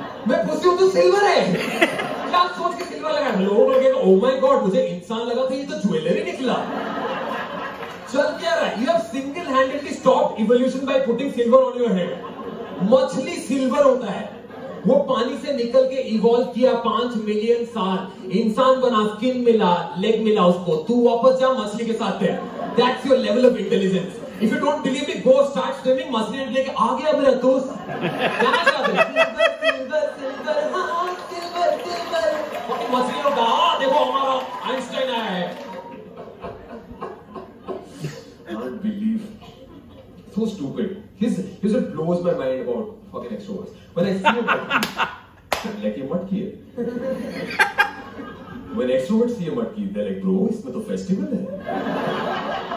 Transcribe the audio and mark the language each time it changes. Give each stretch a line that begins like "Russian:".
Hindi: मैं पूछती हूँ तो silver है. क्या सोच के silver लगा है? लोग लगे तो
English: oh my god
Hindi: मुझे इंसान लगा था ये तो jewellery निकला. चल क्या रहा?
English: You have single handedly stopped evolution by putting silver on your head.
Hindi: मछली silver होता है. वो पानी से निकल के इवॉल्व किया 5 मिलियन साल इंसान बना स्किन मिला लेग मिला उसको तू वापस जा मछली के साथ है.
English: That's your level of intelligence. If you don't believe me, go start swimming.
Hindi: मछली ने लेके आ गया मेरा दोस्त. क्या चाहते हैं? सिल्वर सिल्वर सिल्वर हाँ सिल्वर सिल्वर और मछली लोग आ देखो हमारा आइंस्टाइन आया है.
English: Can't believe. So stupid. His it blows my mind about fucking extroverts. When I see a mutki, I'm like,
Hindi: ye mutki hai.
English: When extroverts see a mutki, they're like, bro,
Hindi: isme to festival hai.